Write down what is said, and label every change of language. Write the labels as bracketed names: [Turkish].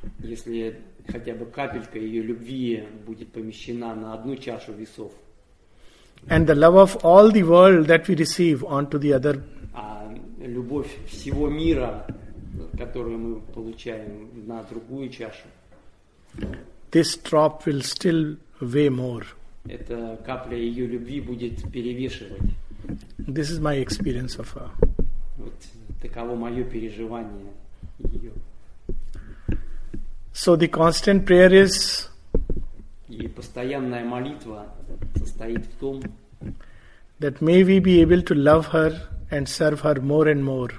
[Russian] если хотя бы капелька ее любви будет помещена на одну чашу весов, [English] and the love of all the world that we receive onto the other, [Russian] любовь всего мира, которую мы получаем на другую чашу, [English] this drop will still weigh more. [Russian] Эта капля ее любви будет перевешивать. [English] This is my experience of her. [Russian] Вот таково мое переживание ее. [English] So the constant prayer is. [Russian] И постоянная молитва состоит в том, [English] that may we be able to love her and serve her more and more.